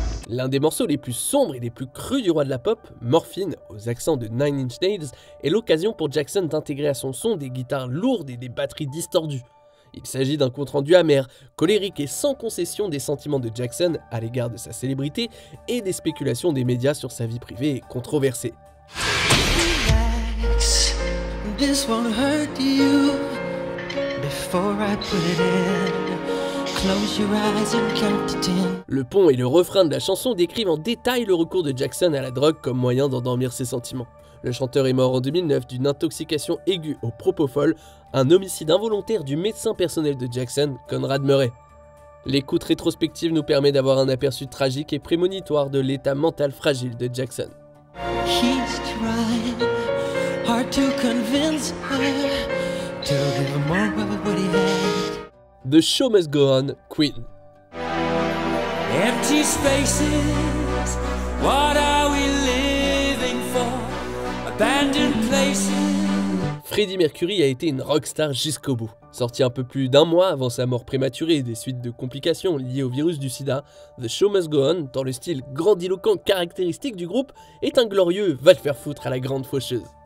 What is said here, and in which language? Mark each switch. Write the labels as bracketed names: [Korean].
[French] L'un des morceaux les plus sombres et les plus crus du roi de la pop, Morphine, aux accents de Nine Inch Nails, est l'occasion pour Jackson d'intégrer à son son des guitares lourdes et des batteries distordues. Il s'agit d'un compte-rendu amer, colérique et sans concession des sentiments de Jackson à l'égard de sa célébrité et des spéculations des médias sur sa vie privée et controversée. [English] Relax, this won't hurt you. Before I put it in. [French] Le pont et le refrain de la chanson décrivent en détail le recours de Jackson à la drogue comme moyen d'endormir ses sentiments. Le chanteur est mort en 2009 d'une intoxication aiguë au propofol, un homicide involontaire du médecin personnel de Jackson, Conrad Murray. L'écoute rétrospective nous permet d'avoir un aperçu tragique et prémonitoire de l'état mental fragile de Jackson. [English] He's tried hard to convince her to give more of what he had. The Show Must Go On, Queen. Empty spaces, what are we living for? Abandoned places. [French] Freddie Mercury a été une rockstar jusqu'au bout. Sorti un peu plus d'un mois avant sa mort prématurée et des suites de complications liées au virus du sida, The Show Must Go On, dans le style grandiloquent caractéristique du groupe, est un glorieux va le faire foutre à la grande faucheuse.